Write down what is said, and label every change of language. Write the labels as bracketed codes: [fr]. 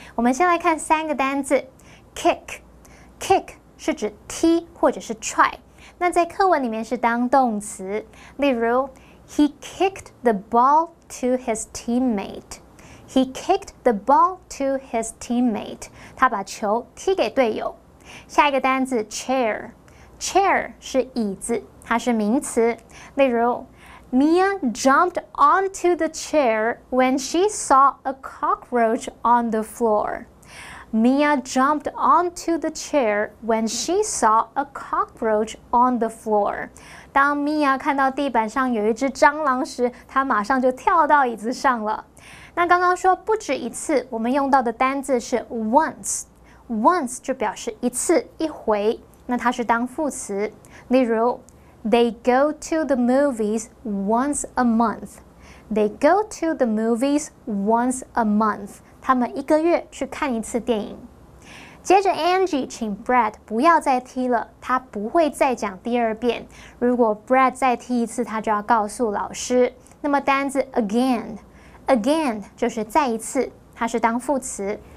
[zh] 我们先来看三个单字 ，kick 是指踢或者是踹，那在课文里面是当动词。例如 [en] ，He kicked the ball to his teammate. He kicked the ball to his teammate. [zh] 他把球踢给队友。下一个单字 ，chair 是椅子。它是名词，例如 [en] ，Mia jumped onto the chair when she saw a cockroach on the floor. Mia jumped onto the chair when she saw a cockroach on the floor. [zh] 当 Mia 看到地板上有一只蟑螂时，她马上就跳到椅子上了。那刚刚说不止一次，我们用到的单字是 once。 Once 就表示一次、一回，那它是当副词，例如。 [en] They go to the movies once a month. They go to the movies once a month. [zh] 他们一个月去看一次电影。接着 Angie 请 Brad 不要再踢了，他不会再讲第二遍。如果 Brad 再踢一次，他就要告诉老师。那么单字 again 就是再一次，它是当副词。